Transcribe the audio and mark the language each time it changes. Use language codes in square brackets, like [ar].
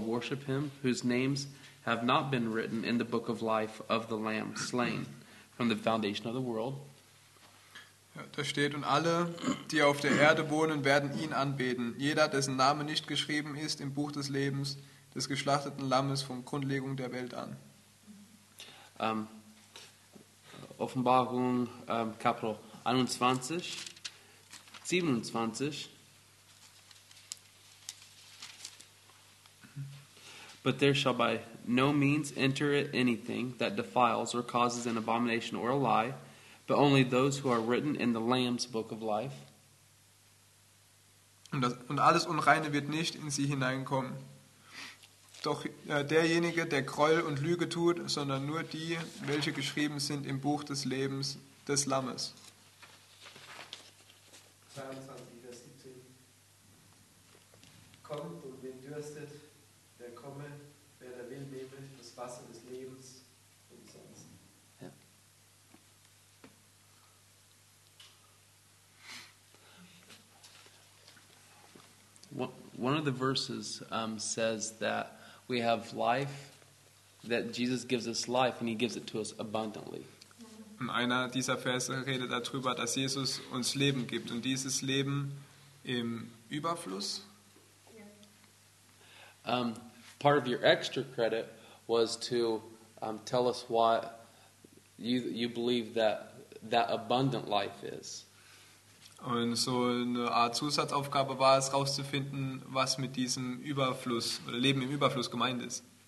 [en] worship him whose names have not been written in the book of life of the Lamb slain from the foundation of the world. [de] Ja, da steht, und alle, die auf der Erde wohnen, werden ihn anbeten. Jeder, dessen Name nicht geschrieben ist im Buch des Lebens des geschlachteten Lammes von Grundlegung der Welt an. Offenbarung Kapitel 21, 27. [en] But there shall by no means enter it anything that defiles or causes an abomination or a lie, but only those who are written in the Lamb's book of life. [de] Und alles Unreine wird nicht in sie hineinkommen. Doch derjenige, der Gräuel und Lüge tut, sondern nur die, welche geschrieben sind im Buch des Lebens des Lammes. 22, Vers 17. Komm und wen dürstet, wer komme, wer da will, nehme das Wasser des Lebens umsonst. Ja. [en] One of the verses says that we have life, that Jesus gives us life and he gives it to us abundantly. [de] Einer dieser Verse redet darüber, dass Jesus uns Leben gibt und dieses Leben im Überfluss. [en] Part of your extra credit was to tell us why you believe that abundant life is. [de] Und so eine Art Zusatzaufgabe war es, rauszufinden, was mit diesem Überfluss oder Leben im Überfluss gemeint ist.